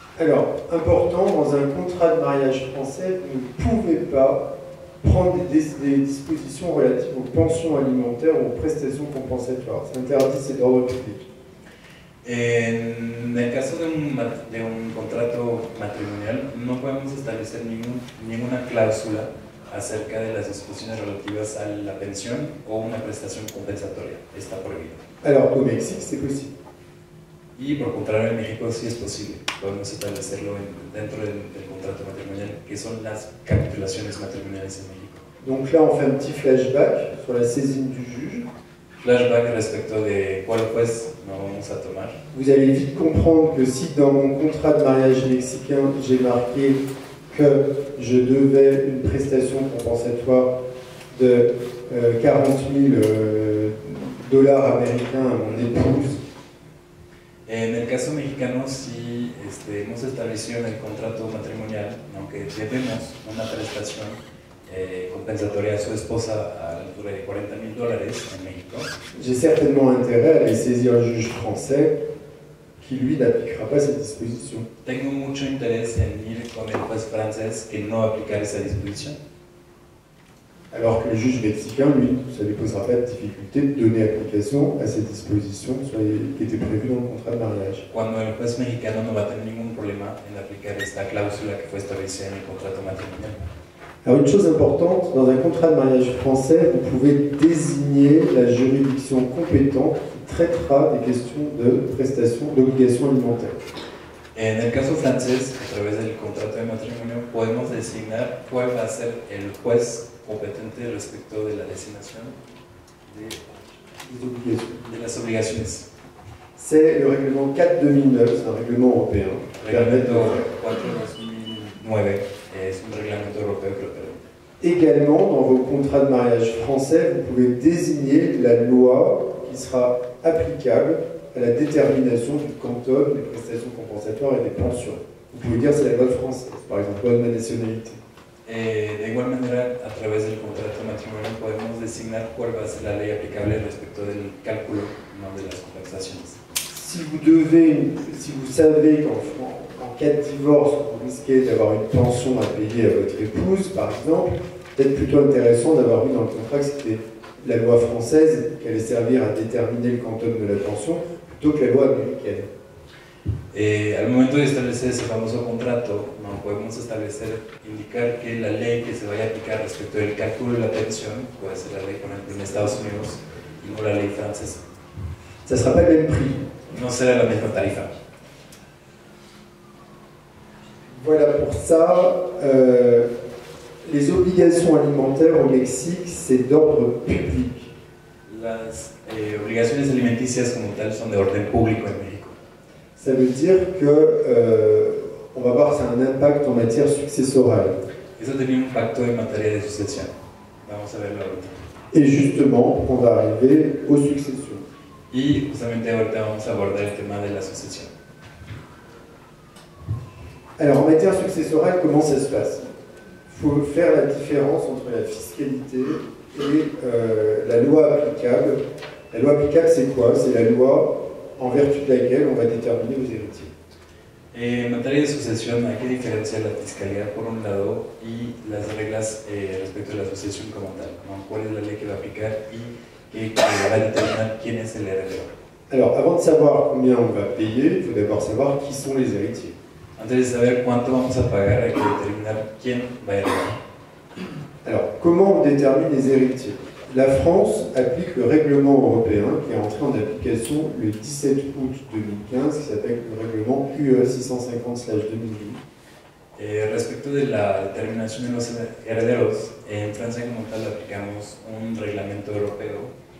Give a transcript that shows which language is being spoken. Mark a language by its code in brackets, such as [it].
[fr] Alors, important, dans un contrat de mariage français, vous ne pouvez pas prendre des dispositions relatives aux pensions alimentaires ou aux prestations compensatoires. C'est interdit, c'est d'ordre public. [es] En el caso de un contrato matrimonial, no podemos establecer ninguna cláusula acerca de las disposiciones relativas a la pensión o una prestación compensatoria. Está prohibido. [fr] Alors, au Mexique, c'est possible. [es] Y por contrario, en México sí es posible. Podemos establecerlo dentro del contrato matrimonial, que son las capitulaciones matrimoniales en México. [fr] Donc là, on fait un petit flashback sur la saisine du juge. [es] Flashback respecto de cuál juez nos vamos a tomar. [fr] Vous allez vite comprendre que si dans mon contrat de mariage mexicain j'ai marqué que je devais une prestation compensatoire de 40 000 dollars américains à mon épouse. [es] En el caso mexicano, si hemos establecido en el contrato matrimonial, aunque debemos una prestación compensatoria a su esposa a la altura de 40 mil dólares en México. [fr] J'ai certainement intérêt à aller saisir un juge français qui, lui, n'appliquera pas cette disposition. [es] Tengo mucho interés en ir con el juez francés que no aplicará esa disposición. [fr] Alors que le juge mexicain, lui, ça ne lui posera pas de difficulté de donner application à cette disposition qui était prévue dans le contrat de mariage. [es] Cuando el juez mexicano no va a tener ningún problema en aplicar esta cláusula que fue establecida en el contrato matrimonial. [fr] Alors une chose importante, dans un contrat de mariage français, vous pouvez désigner la juridiction compétente qui traitera des questions de prestations, d'obligations alimentaires. [es] En el caso francés, a través del contrato de matrimonio, podemos designar cuál va a ser el juez compétente respecto de la designación de las obligaciones. [fr] C'est le règlement 4/2009, c'est un règlement européen. [es] Reglamento 4/2009. Es un reglamento europeo, creo, pero... [fr] Également, dans vos contrats de mariage français, vous pouvez désigner la loi qui sera applicable à la détermination du quantum des prestations compensatoires et des pensions. Vous pouvez dire que c'est la loi française, par exemple, loi de ma nationalité. Et [es] de igual manera, [fr] à travers le contrat matrimonial, nous pouvons désigner quelle va être la loi applicable [es] respecto del cálculo, non de las compensaciones. [fr] Si vous savez qu'en cas de divorce, vous risquez d'avoir une pension à payer à votre épouse, par exemple, peut-être plutôt intéressant d'avoir mis dans le contrat que c'était la loi française qui allait servir à déterminer le quantum de la pension plutôt que la loi américaine. [es] Et al momento de establecer ese famoso contrato, no podemos establecer, indicar que la ley que se vaya a aplicar respecto del cálculo de la pension puede ser la ley, por ejemplo, en Estados Unidos y no la ley francesa. [fr] Ça ne sera pas le même prix. [es] No será la misma tarifa. [fr] Voilà pour ça. Les obligations alimentaires au Mexique, c'est d'ordre public. [es] Las obligaciones alimenticias como tal son de orden público en México. [fr] Ça veut dire que, on va voir, c'est un impact en matière successorale. [es] Eso tiene un impacto en materia de sucesión. Vamos a verlo ahorita. [fr] Et justement, on va arriver aux successions. [es] Y justamente ahorita vamos a abordar el tema de la sucesión. [fr] Alors, en matière successorale, comment ça se passe? Il faut faire la différence entre la fiscalité et la loi applicable. La loi applicable, c'est quoi? C'est la loi en vertu de laquelle on va déterminer aux héritiers. En matière de succession, il faut différencier la fiscalité, pour un lado, et les règles respecto à la succession comme telle. Donc, quelle est la loi qui va appliquer et qui va déterminer qui est l'héritier? Alors, avant de savoir combien on va payer, il faut d'abord savoir qui sont les héritiers. [es] Antes de saber cuánto vamos a pagar, hay que determinar quién va a heredar. [fr] Alors, comment on détermine les héritiers? La France applique le règlement européen qui est entré en application le 17 août 2015, qui s'appelle le règlement UE 650/2008. [es] Et respecto de la determinación de los herederos, en Francia como tal aplicamos un reglamento europeo